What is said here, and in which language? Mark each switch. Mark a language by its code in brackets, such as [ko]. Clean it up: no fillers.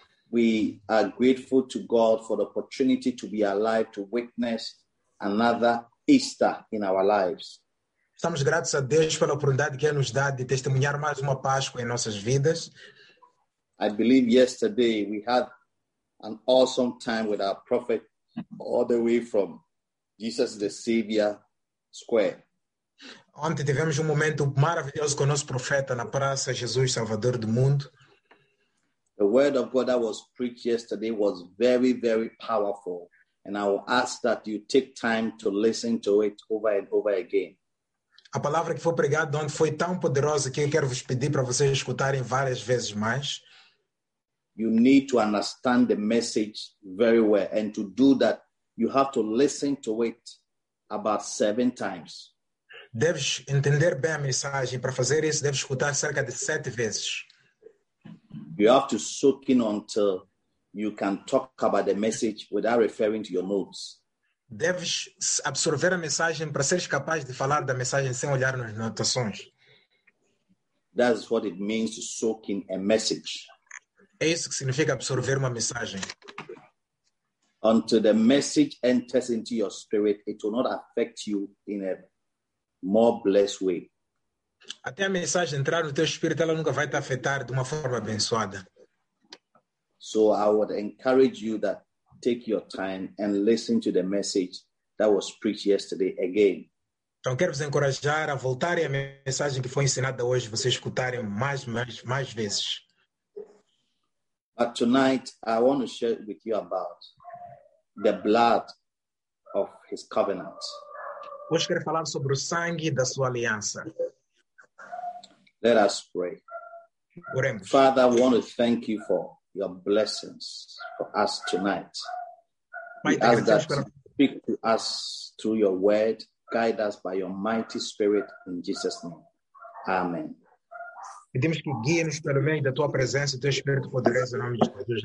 [en] We are grateful to God for the opportunity to be alive to witness another Easter in our lives. [pt] Estamos gratos a Deus pela oportunidade que Ele nos dá de testemunhar mais uma Páscoa em nossas vidas. [en] I believe yesterday we had an awesome time with our prophet all the way from Jesus the Savior Square. [pt] Ontem tivemos um momento maravilhoso com o nosso profeta na praça Jesus Salvador do Mundo. [en] The word of God that was preached yesterday was very, very powerful. And I will ask that you take time to listen to it over and over again. [pt] A palavra que foi pregada ontem foi tão poderosa que eu quero vos pedir para vocês escutarem várias vezes mais. [en] You need to understand the message very well. And to do that, you have to listen to it about 7 times. [pt] Deves entender bem a mensagem. Para fazer isso, deves escutar cerca de 7 vezes. [en] You have to soak in until you can talk about the message without referring to your notes. [pt] Deves absorver a mensagem para seres capaz de falar da mensagem sem olhar nas anotações. [en] That's what it means to soak in a message. [pt] É isso que significa absorver uma mensagem. [en] Until the message enters into your spirit, it will not affect you in a more blessed way. [pt] Até a mensagem entrar no teu espírito, ela nunca vai te afetar de uma forma abençoada. [en] So I would encourage you that take your time and listen to the message that was preached yesterday again. [pt] Então quero vos encorajar a voltarem à mensagem que foi ensinada hoje, vocês escutarem mais vezes. [en] But tonight I want to share with you about the blood of his covenant. [pt] Hoje quero falar sobre o sangue da sua aliança. [en] Let us pray. [pt] Oremos. [en] Father, I want to thank you for your blessings for us tonight. [pt] Pai, [en] we ask that you speak to us through your word, guide us by your mighty spirit in Jesus' name. Amen. [pt] Pedimos que guie-nos pelo meio da tua presença e do teu espírito poderoso em nome de Jesus.